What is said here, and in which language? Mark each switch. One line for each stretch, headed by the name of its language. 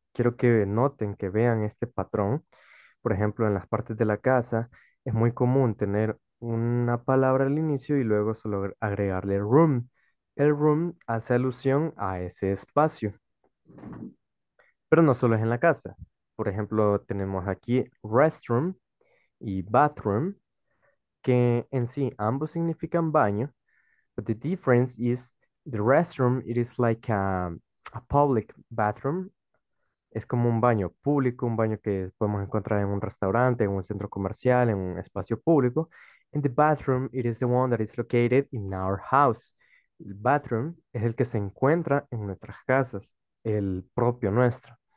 Spanish: Quiero que noten, que vean este patrón. Por ejemplo, en las partes de la casa es muy común tener una palabra al inicio y luego solo agregarle room. El room hace alusión a ese espacio. Pero no solo es en la casa. Por ejemplo, tenemos aquí restroom y bathroom, que en sí ambos significan baño.
English: But the difference is the restroom, it is like a public bathroom.
Spanish: Es como un baño público, un baño que podemos encontrar en un restaurante, en un centro comercial, en un espacio público.
English: In the bathroom, it is the one that is located in our house.
Spanish: El bathroom es el que se encuentra en nuestras casas, el propio nuestro.